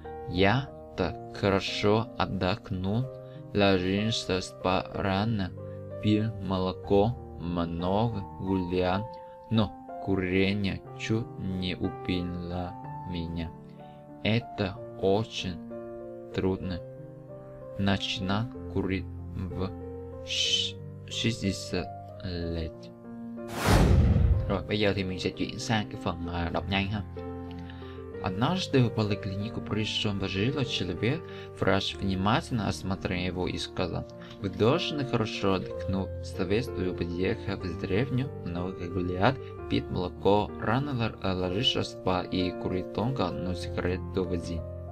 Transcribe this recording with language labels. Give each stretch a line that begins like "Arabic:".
Russian: «Я так хорошо отдохнул, ложился спать рано, пил молоко, много гулял, но курение чуть не убило меня. Это очень трудно начинать курить в 60 лет».
Vietnamese: Rồi, bây giờ thì mình sẽ chuyển sang cái phần đọc nhanh ha.
Russian: Однажды в поликлинику пришел пожилой человек, врач внимательно осмотрел его и сказал: «Вы должны хорошо отдохнуть, советую подъехать в деревню, много гулять, пить молоко, рано ложиться спать и курить только одну сигарету в день.